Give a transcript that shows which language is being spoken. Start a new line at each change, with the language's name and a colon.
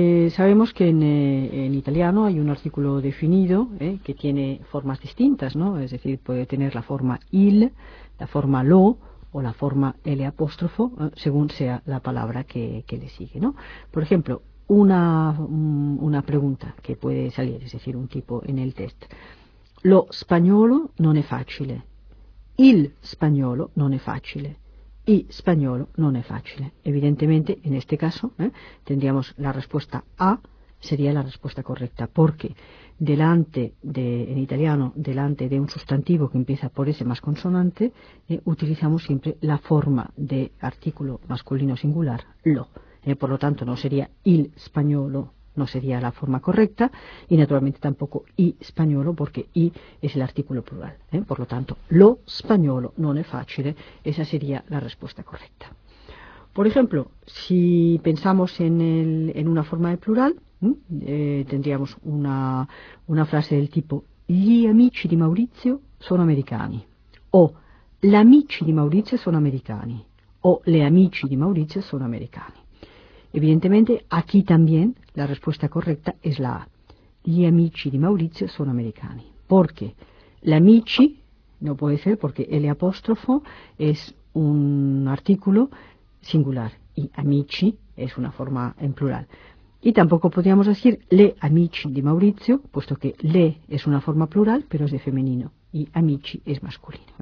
Spanish: Sabemos que en italiano hay un artículo definido que tiene formas distintas, ¿no? Es decir, puede tener la forma il, la forma lo, o la forma L apóstrofo, según sea la palabra que le sigue, ¿no? Por ejemplo, una pregunta que puede salir, es decir, un tipo en el test.
Italian: Lo spagnolo non è facile. Il spagnolo non è facile. Y spagnolo non è facile.
Spanish: Evidentemente, en este caso, tendríamos la respuesta A, sería la respuesta correcta, porque delante de un sustantivo que empieza por S más consonante, utilizamos siempre la forma de artículo masculino singular, lo. Por lo tanto, no sería
Italian: il spagnolo,
Spanish: no sería la forma correcta, y naturalmente tampoco
Italian: i spagnolo,
Spanish: porque i es el artículo plural. Por lo tanto,
Italian: lo spagnolo non è facile,
Spanish: esa sería la respuesta correcta. Por ejemplo, si pensamos en una forma de plural, tendríamos una frase del tipo
Italian: gli amici di Maurizio sono americani,
Spanish: o
Italian: l'amici di Maurizio sono americani,
Spanish: o
Italian: le amici di Maurizio sono americani.
Spanish: Evidentemente, aquí también la respuesta correcta es la A.
Italian: Gli amici di Maurizio sono americani.
Spanish: ¿Por qué? L'amici no puede ser porque el apóstrofo es un artículo singular y amici es una forma en plural. Y tampoco podríamos decir
Italian: le amici di Maurizio,
Spanish: puesto que le es una forma plural, pero es de femenino, y amici es masculino.